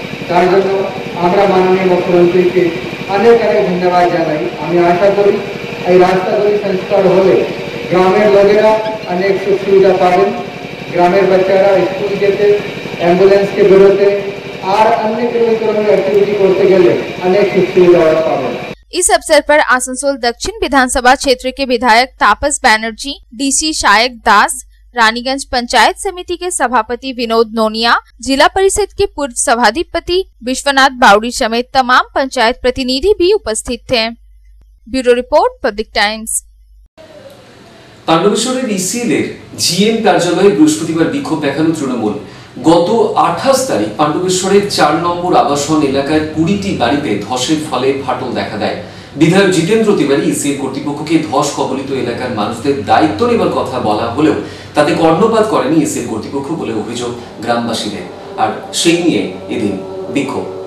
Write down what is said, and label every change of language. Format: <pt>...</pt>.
<bn>তার জন্য আমরা মাননীয় মুখ্যমন্ত্রীকে অনেক অনেক ধন্যবাদ জানাই। আমি আশা করি এই রাস্তাগুলি সংস্কার হলে গ্রামের লোকেরা অনেক সুখ সুবিধা পাবেন, গ্রামের বাচ্চারা স্কুল যেতে, অ্যাম্বুলেন্সকে বেরোতে আর অন্য কিলোমিটার অ্যাক্টিভিটি করতে গেলে অনেক সুখ সুবিধা পাবেন।</bn> <hi>इस अवसर पर आसनसोल दक्षिण विधानसभा क्षेत्र के विधायक तापस बनर्जी, डीसी शायक दास, रानीगंज पंचायत समिति के सभापति विनोद नोनिया, जिला परिषद के पूर्व सभाधिपति विश्वनाथ बावड़ी समेत तमाम पंचायत प्रतिनिधि भी उपस्थित थे। Bureau report, public times.</hi> <bn>পাণ্ডবেশ্বরের ইসিএলের GM কার্যালয়ে বৃহস্পতিবার বিক্ষোভ দেখানো তৃণমূল। গত 28 তারিখ পাণ্ডবেশ্বরের 4 নম্বর আবাসন এলাকায় 20টি বাড়িতে ধসের ফলে ফাটল দেখা দেয়। বিধায়ক জিতেন্দ্র তিওয়ারি ইসিএল কর্তৃপক্ষকে ধস কবলিত এলাকার মানুষদের দায়িত্ব নেবার কথা বলা হলেও তাতে কর্ণপাত করেনি ইসিএল কর্তৃপক্ষ বলে অভিযোগ গ্রামবাসীদের, আর সেই নিয়ে এদিন বিক্ষোভ।</bn>